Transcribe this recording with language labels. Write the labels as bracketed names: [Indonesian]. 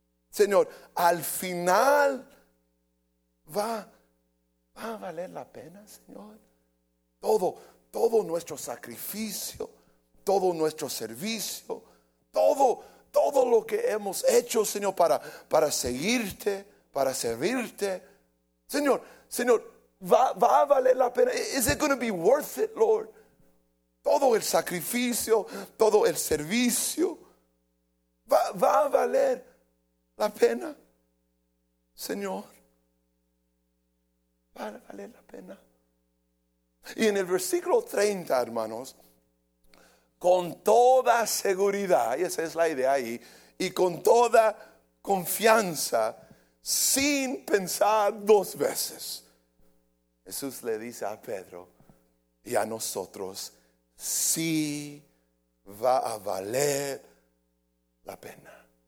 [Spanish] Señor, al final, ¿va a valer la pena, Señor? Todo nuestro sacrificio, todo nuestro servicio, todo lo que hemos hecho, Señor, para seguirte, para servirte. Señor, ¿va a valer la pena? [English] Is it going to be worth it, Lord? [Spanish] Todo el sacrificio, todo el servicio, ¿va a valer la pena, Señor? ¿Va a valer la pena? Y en el versículo 30, hermanos, con toda seguridad, y esa es la idea ahí, y con toda confianza, sin pensar dos veces, Jesús le dice a Pedro y a nosotros, sí va a valer la pena.